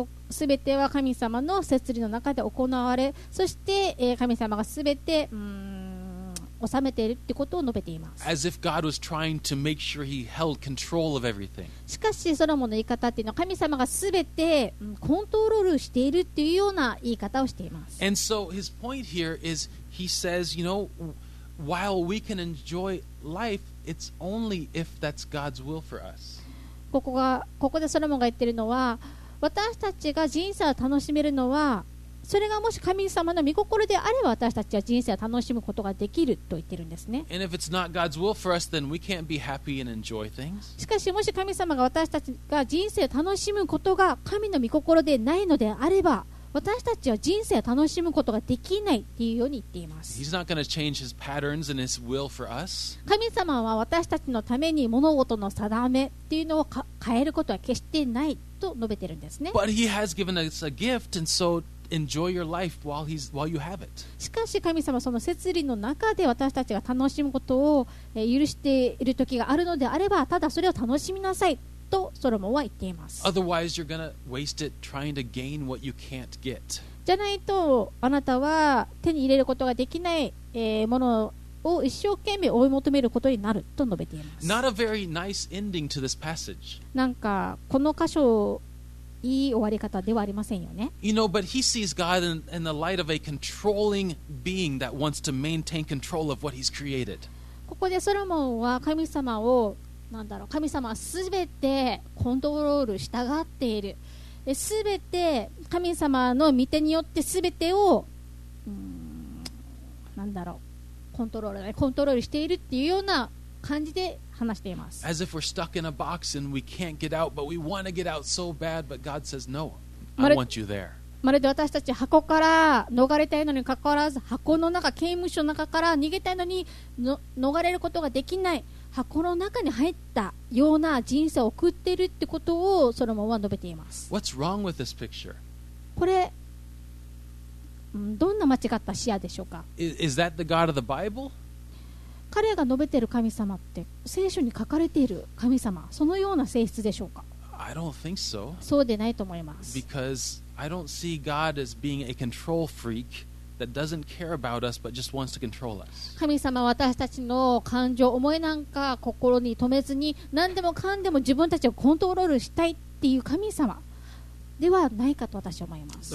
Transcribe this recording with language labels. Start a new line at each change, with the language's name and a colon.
Japanese: すべては神様の摂理の中で行われ、そして、神様がすべて、収めているってことを述べています。
English: As if God was trying to make sure he held control of everything.
Japanese: しかしソロモンの言い方っていうのは神様がすべてコントロールしているっていうような言い方をしています。
English: And so his point here is he says, you know, while we can enjoy life, it's only if that's God's will for us.
Japanese: ここでソロモンが言ってるのは、私たちが人生を楽しめるのは、それがもし神様の御心であれば私たちは人生を楽しむことができると言ってるんですね。
English: And if it's not God's will for us, then we can't be happy and enjoy things.
Japanese: しかしもし神様が私たちが人生を楽しむことが神の御心でないのであれば、私たちは人生を楽しむことができないっていうように言っています。
English: He's not going to change his patterns and his will for us.
Japanese: 神様は私たちのために物事の定めっていうのを変えることは決してないと述べてるんですね。
English: But he has given us a gift, and so enjoy your life while you have it.
Japanese: しかし神様はその摂理の中で私たちが楽しむことを許している時があるのであれば、ただそれを楽しみなさいとソロモンは言っています。
English: Otherwise, you're gonna waste it trying to gain what you can't get.
Japanese: じゃないとあなたは手に入れることができない、ものを一生懸命追い求めることになると述べています。
English: Not a very nice ending to this passage.
Japanese: なんかこの箇所いい終わり方ではありませんよね。
English: You know, but he sees God in the light of a controlling being that wants to maintain control of what he's created.
Japanese: ここでソロモンは神様を、なんだろう、神様はすべてコントロールしたがっている。すべて神様の御手によってすべてを、なんだろう、コントロールしているっていうような感じで話しています。
English: As if we're stuck in a box and we can't get out, but we want to get out so bad, but God says, no, I want you there.
Japanese: まるで私たち箱から逃れたいのにかかわらず、箱の中、刑務所の中から逃げたいのに逃れることができない、箱の中に入ったような人生を送っているってことをソロモンは述べています。
English: What's wrong with this picture?
Japanese: これどんな間違った視野でしょうか。
English: Is that the God of the Bible?
Japanese: 彼が述べている神様って聖書に書かれている神様、そのような性質でしょうか。
English: I don't think so.
Japanese: そうでないと思います。
English: Because I don't see God as being a control freak that doesn't care about us but just wants to control us.
Japanese: 神様は私たちの感情、思いなんか心に留めずに、何でもかんでも自分たちをコントロールしたいっていう神様ではないかと私は思います。